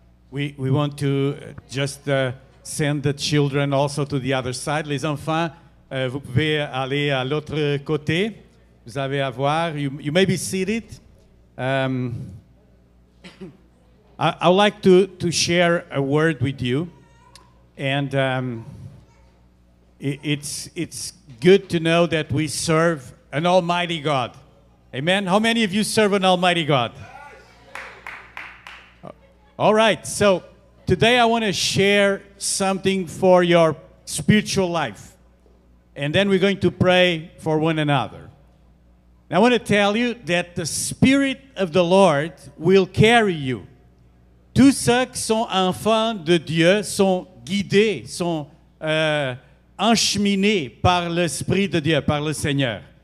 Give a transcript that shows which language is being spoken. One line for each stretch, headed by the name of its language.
English: We want to just send the children also to the other side.
French: Les enfants, vous pouvez aller à l'autre côté. Vous avez à voir.
English: You may be seated. I would like to share a word with you. And it's good to know that we serve an almighty God. Amen. How many of you serve an almighty God? All right, so today I want to share something for your spiritual life. And then we're going to pray for one another. Now I want to tell you that the Spirit of the Lord will carry you.
French: Tous ceux qui sont enfants de Dieu sont guidés, sont encheminés par l'Esprit de Dieu, par le Seigneur.